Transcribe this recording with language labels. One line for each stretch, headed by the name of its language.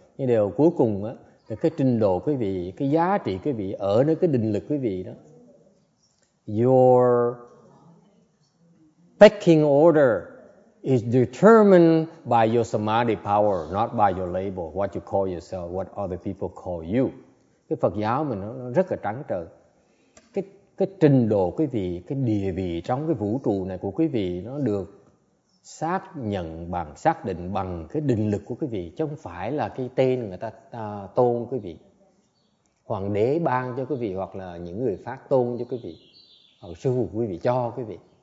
Vietnamese: Nhưng điều cuối cùng á, cái trình độ quý vị, cái giá trị quý vị ở nơi cái định lực quý vị đó.
English: Your pecking order is determined by your samadhi power, not by your label, what you call yourself, what other people call you.
Vietnamese: Cái Phật giáo mình nó rất là trắng trợn. Cái trình độ quý vị, cái địa vị trong cái vũ trụ này của quý vị nó được xác nhận bằng, xác định bằng cái định lực của quý vị, chứ không phải là cái tên người ta tôn quý vị, hoàng đế ban cho quý vị, hoặc là những người phát tôn cho quý vị, hoặc sư phụ quý vị cho quý vị.